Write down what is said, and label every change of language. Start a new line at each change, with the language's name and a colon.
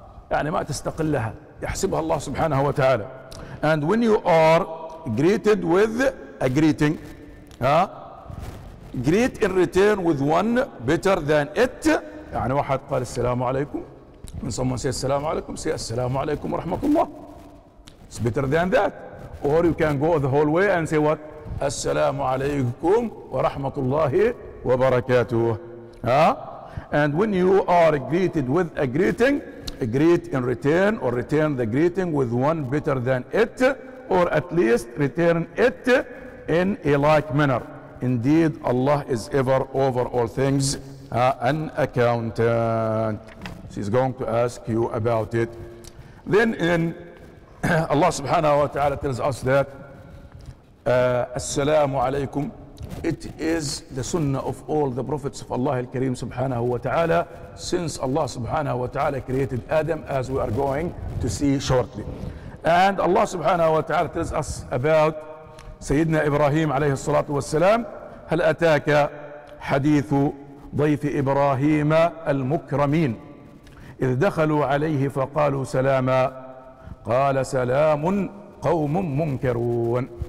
Arabic: يعني ما تستقلها، يحسبها الله سبحانه وتعالى.
English: And when you are greeted with a greeting, greet in return with one better than it.
Arabic: يعني واحد قال السلام عليكم،
English: when someone says
Arabic: السلام عليكم, say السلام عليكم ورحمة الله.
English: It's better than that. Or you can go the whole way and say what?
Arabic: السلام عليكم ورحمة الله وبركاته.
English: And when you are greeted with a greeting, greet in return or return the greeting with one better than it, or at least return it in a like manner. Indeed, Allah is ever over all things an accountant. She's going to ask you about it. Then in Allah subhanahu wa ta'ala tells us that assalamu alaykum, it is the sunnah of all the prophets of Allah al-Kareem subhanahu wa ta'ala since Allah subhanahu wa ta'ala created Adam, as we are going to see shortly. And Allah subhanahu wa ta'ala tells us about Sayyidina Ibrahim alayhi salatu wa salam,
Arabic: هل أتاك حديث ضيف إبراهيم المكرمين إذ دخلوا عليه فقالوا سلاما قال سلام قوم منكرون.